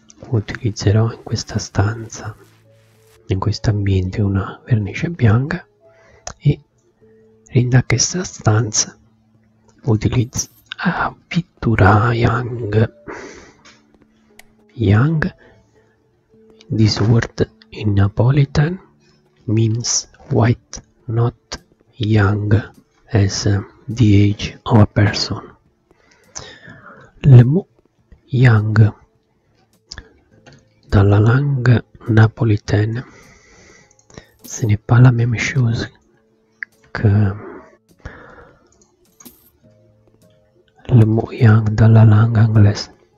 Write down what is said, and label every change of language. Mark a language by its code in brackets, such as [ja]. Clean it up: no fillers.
[it] Utiliserò in questa stanza, in questo ambiente, una vernice bianca e in questa stanza utilizzo a pittura Yang. [en] Young, this word in Neapolitan means white, not young, as the age of a person. [fr] Le mot young, dans la langue napolitaine, ce n'est pas la même chose que le mot young dans la langue anglaise.